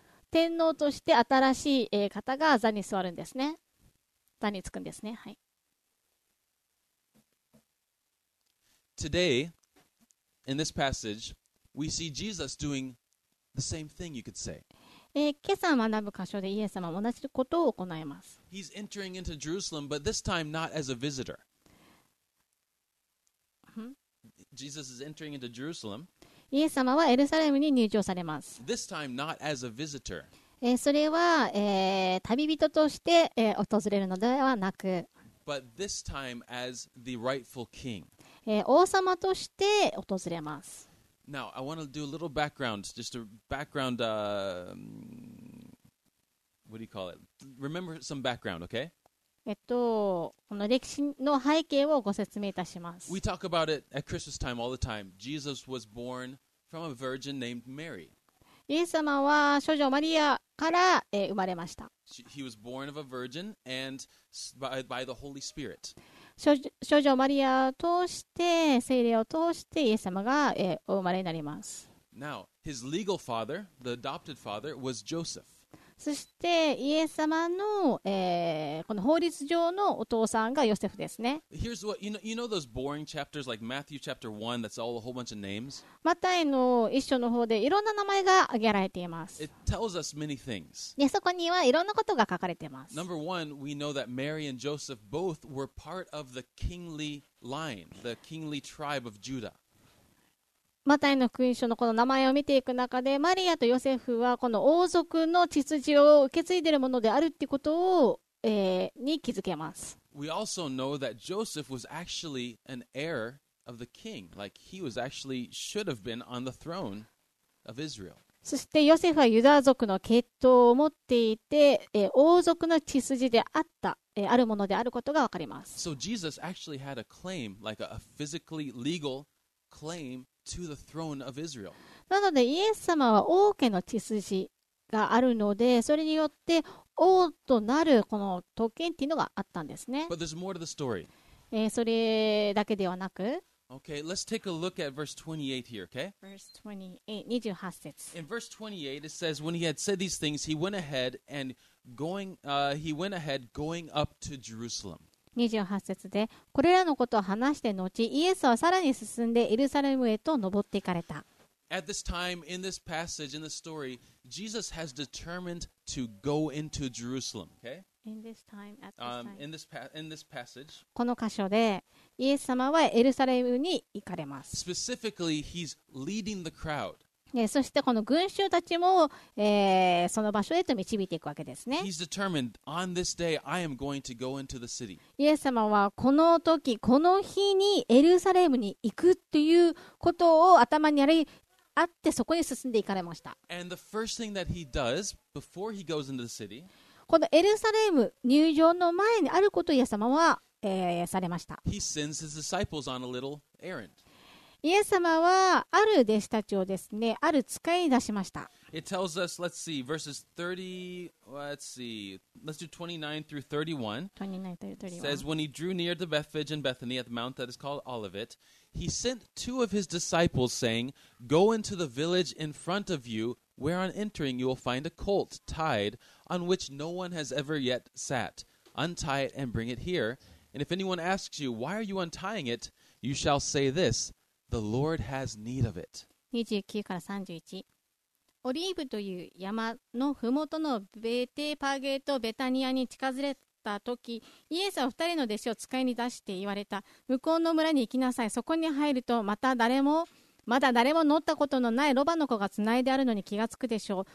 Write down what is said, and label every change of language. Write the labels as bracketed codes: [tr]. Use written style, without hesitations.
[ja] 天皇として新しい方が座に座るんですね。座につくんですね。はい。 [en] Today, in this passage, we see Jesus doing the same thing, you could say. [ja] 今朝学ぶ箇所でイエス様は同じことを行います。 [en] He's entering into Jerusalem, but this time not as a visitor. Jesus is entering into Jerusalem. [ja] イエス様はエルサレムに入場されます。 [en] This time not as a visitor. [ja] それは、旅人として、訪れるのではなく、 [en] But this time as the rightful king. [ja] 王様として訪れます。 [en] Now, I want to do a little background, just a background, what do you call it? Remember some background, okay? [ja] この歴史の背景をご説明いたします。 [en] We talk about it at Christmas time all the time. Jesus was born from a virgin named Mary. [ja] イエス様は少女マリアから生まれました。 [en] He was born of a virgin and by the Holy Spirit. [ja] 少女マリアを通して、聖霊を通してイエス様がお生まれになります。 [en] Now, his legal father, the adopted father, was Joseph. [ja] そしてイエス様の、この法律上のお父さんがヨセフですね。 [en] Here's what, you know those boring chapters like Matthew chapter 1 that's all a whole bunch of names? [ja] マタイの一章の方でいろんな名前が挙げられています。 [en] It tells us many things. [ja] で、そこにはいろんなことが書かれています。 [en] Number one, we know that Mary and Joseph both were part of the kingly line, the kingly tribe of Judah. [ja] マタイの福音書のこの名前を見ていく中で、マリアとヨセフはこの王族の血筋を受け継いでいるものであるってことを、に気づけます。 [en] We also know that Joseph was actually an heir of the king. Like he was actually should have been on the throne of Israel. [ja] そしてヨセフはユダ族の血統を持っていて、王族の血筋であった、あるものであることがわかります。 [en] So Jesus actually had a claim, like a physically legal claim. To the throne of Israel. [ja] なのでイエス様は王家の血筋があるのでそれによって王となるこの特権っていうのがあったんですね。 [en] But there's more to the story. [ja] それだけではなく [en] Okay, let's take a look at verse 28 here, okay? [ja] Verse 28節 [en] In verse 28 it says when he had said these things he went ahead and going, he went ahead going up to Jerusalem. [ja] 28節でこれらのことを話して後イエスはさらに進んでエルサレムへと登っていかれた。 [en] At this time, in this passage, in the story, Jesus has determined to go into Jerusalem. Okay? In this passage. [ja] この箇所でイエス様はエルサレムに行かれます。 [en] Specifically, he's leading the crowd. [ja] そしてこの群衆たちも、その場所へと導いていくわけですね。 [en] He's determined, on this day, I am going to go into the city. [ja] イエス様はこの時、この日にエルサレムに行くということを頭にあってそこに進んでいかれました。 [en] And the first thing that he does before he goes into the city, [ja] このエルサレム入場の前にあることをイエス様は、されました。 [en] He sends his disciples on a little errand. [ja] イエス様はある弟子たちをですね、ある使いに出しました。 [en] It tells us, let's see, verses 30, let's see, let's do 29 through 31. 29 through 31. Says, when he drew near to Bethphage and Bethany at the mount that is called Olivet, he sent two of his disciples saying, Go into the village in front of you, where on entering you will find a colt tied, on which no one has ever yet sat. Untie it and bring it here. And if anyone asks you, why are you untying it? You shall say this,The Lord has need of it. [ja] 29から31。オリーブという山のふもとのベテパゲとベタニアに近づいたとき、イエスは二人の弟子を使いに出して言われた。向こうの村に行きなさい。そこに入ると、まだ誰も乗ったことのないロバの子がつないであるのに気がつくでしょう。